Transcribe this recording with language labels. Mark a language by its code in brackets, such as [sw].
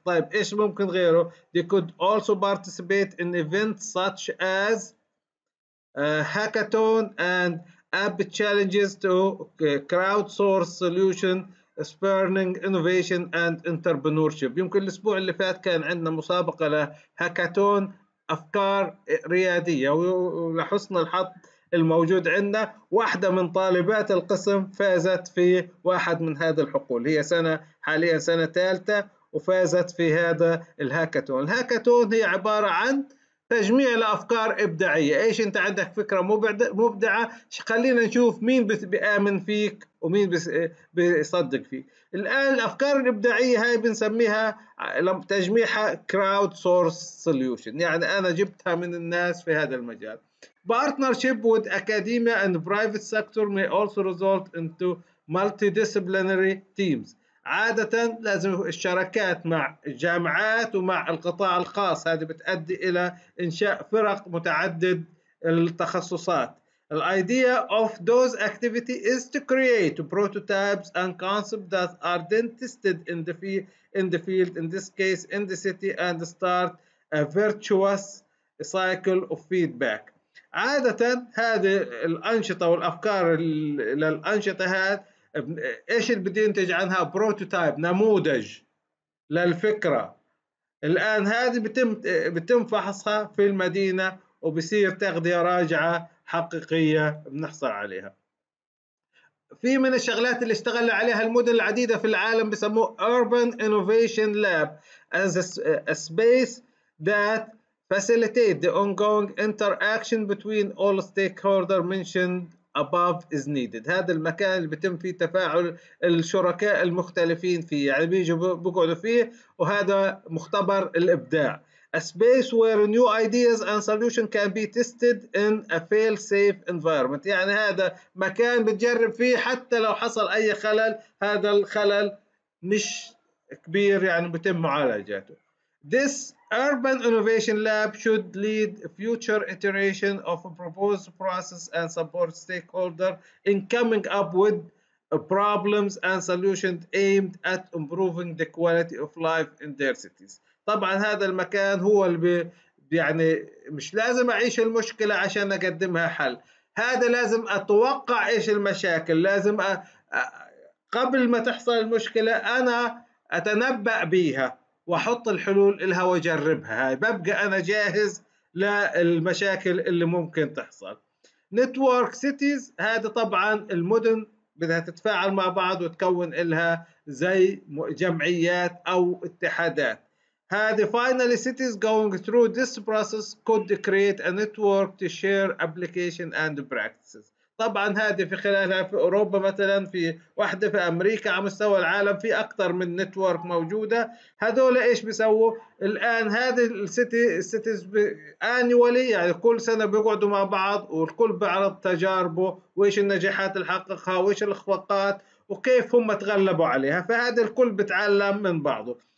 [ar] طيب إيش ممكن غيره؟ [en] They could also participate in events such as hackathon and app challenges to crowdsource solution Spurring Innovation and Entrepreneurship. [ar] يمكن الأسبوع اللي فات كان عندنا مسابقة لهاكاتون أفكار ريادية، ولحسن الحظ الموجود عندنا واحدة من طالبات القسم فازت في واحد من هذه الحقول، هي سنة حاليا سنة ثالثة وفازت في هذا الهاكاتون. الهاكاتون هي عبارة عن تجميع لأفكار إبداعية، إيش أنت عندك فكرة مبدعة، خلينا نشوف مين بيآمن فيك ومين بيصدق فيك. الآن الأفكار الإبداعية هاي بنسميها تجميعها [en] crowd source solution، [ar] يعني أنا جبتها من الناس في هذا المجال. [en] Partnership with academia and private sector may also result into multidisciplinary teams. [ar] عادة لازم الشراكات مع الجامعات ومع القطاع الخاص، هذه بتؤدي إلى إنشاء فرق متعدد التخصصات. [en] The idea of those activity is to create prototypes and concepts that are then tested in the field, in this case in the city, and start a virtuous cycle of feedback. [ar] عادة هذه الأنشطة والأفكار للأنشطة هاد ايش اللي بده ينتج عنها؟ بروتوتايب، نموذج للفكره. الان هذه بتم فحصها في المدينه وبصير تغذيه راجعه حقيقيه بنحصل عليها. في من الشغلات اللي اشتغل عليها المدن العديده في العالم بسموه [en] Urban Innovation Lab as a space that facilitate the ongoing interaction between all stakeholders mentioned above is needed. [ar] هذا المكان اللي بتم فيه تفاعل الشركاء المختلفين فيه، يعني بيجوا بقعدوا فيه، وهذا مختبر الإبداع. [en] A space where new ideas and solutions can be tested in a fail-safe environment. [ar] يعني هذا مكان بتجرب فيه حتى لو حصل أي خلل، هذا الخلل مش كبير يعني بتم معالجته. [en] This urban innovation lab should lead future iteration of a proposed process and support stakeholders in coming up with problems and solutions aimed at improving the quality of life in their cities. [ar] طبعا هذا المكان هو اللي يعني مش لازم اعيش المشكله عشان اقدمها حل، هذا لازم اتوقع ايش المشاكل، لازم قبل ما تحصل المشكله انا اتنبأ بيها واحط الحلول لها واجربها، هاي ببقى انا جاهز للمشاكل اللي ممكن تحصل. Network cities، هذا طبعا المدن بدها تتفاعل مع بعض وتكون لها زي جمعيات او اتحادات. [en] هذه finally cities going through this process could create a network to share application and practices. [ar] طبعا هذه في خلالها في أوروبا مثلا، في واحدة في أمريكا، على مستوى العالم في أكثر من نتورك موجودة. هذول إيش بيسووا الآن؟ هذه السيتيز أنيولي، يعني كل سنة بيقعدوا مع بعض والكل بيعرض تجاربه وإيش النجاحات اللي حققها وإيش الإخفاقات وكيف هم تغلبوا عليها، فهذا الكل بتعلم من بعضه.